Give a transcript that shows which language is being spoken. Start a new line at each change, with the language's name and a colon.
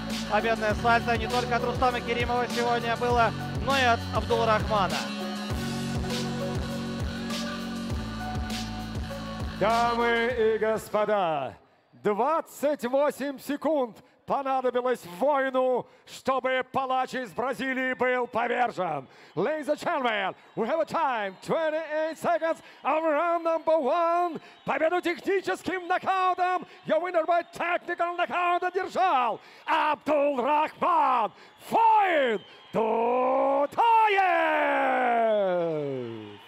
Russian: Победное сальто не только от Рустама Керимова сегодня было, но и от Абдулрахмана. Дамы и господа, 28 секунд понадобилось воину, чтобы палач из Бразилии был повержен.
English: Ladies and gentlemen, we have a time, 28 seconds of round number one.
Russian: Победу техническим нокаутом,
English: your winner by technical knockout,
Russian: одержал Абдулрахман, воин Дутаев!